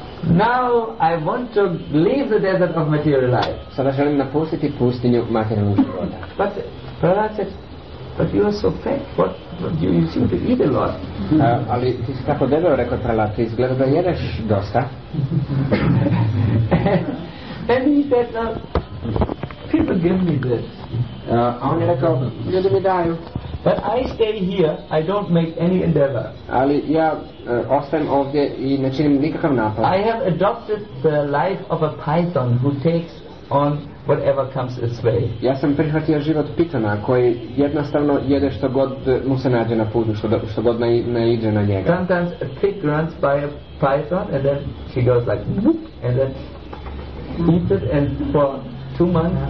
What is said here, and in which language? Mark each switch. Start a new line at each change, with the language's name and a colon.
English: Now I want to leave the desert of material life.
Croatian: Sada želim napustiti pustinju materijalnog života.
English: But Prahlad said, but you are so fat. What you seem to eat a lot.
Croatian: Ali ti si tako debel, rekao Prahlad, ti izgleda da jedeš dosta.
English: And he said, no. People give me this.
Croatian: On je rekao, ljudi mi daju.
English: But I stay here, I don't make any endeavor.
Croatian: Ali ja ostajem ovdje i ne činim nikakav napor.
English: I have adopted the life of a python who takes on whatever comes its way.
Croatian: Ja sam prihvatio život pitona koji jednostavno jede što god mu se nađe na putu, što god naiđe na njega.
English: Sometimes a pig runs by a python and then she goes like whoop and then eats it and for 2 months,